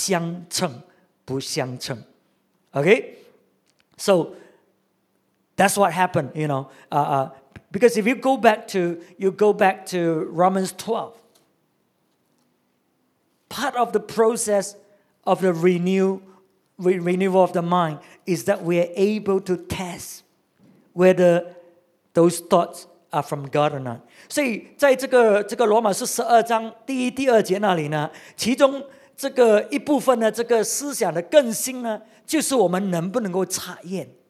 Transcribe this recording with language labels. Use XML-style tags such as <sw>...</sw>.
<zh>你自己的思想，因为现在你有神的思想在里面，所以当有别的思想进来的时候，如果你没有神的话语，你不知道对还是错的。可是现在有神的话语在里面的时候，哎，这个思想来了，你就可以用神的话语来查验它，看它跟神的话语呢，到底呢相称不相称 ？OK, so.</zh> <en>That's what happened, you know. Because if you go back to Romans 12, part of the process of the renewal of the mind is that we are able to test whether those thoughts are from God or not.</en> <zh>所以在这个罗马书十二章第一、第二节那里呢，其中这个一部分呢，这个思想的更新呢，就是我们能不能够查验。</zh>